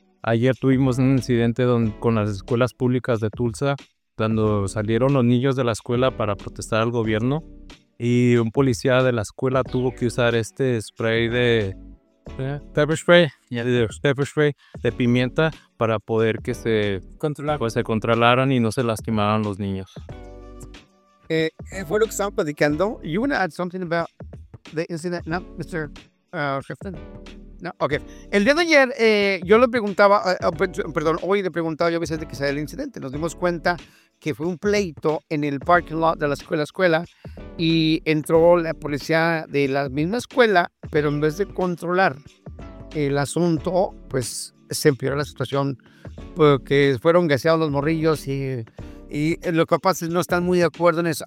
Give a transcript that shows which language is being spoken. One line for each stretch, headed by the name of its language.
Spanish: Ayer tuvimos un incidente con las escuelas públicas de Tulsa, cuando salieron los niños de la escuela para protestar al gobierno y un policía de la escuela tuvo que usar este spray de pepper spray de pimienta para poder que se controlaran y no se lastimaran los niños. Fue lo que estaban platicando.
English: You want to add something about the incident, no, Mr. Shifton? No, okay.
Spanish: El día de ayer yo le preguntaba, hoy le preguntaba yo a Vicente que sea el incidente. Nos dimos cuenta que fue un pleito en el parking lot de la escuela y entró la policía de la misma escuela, pero en vez de controlar el asunto, pues se empeoró la situación porque fueron gaseados los morrillos y los papás no están muy de acuerdo en eso.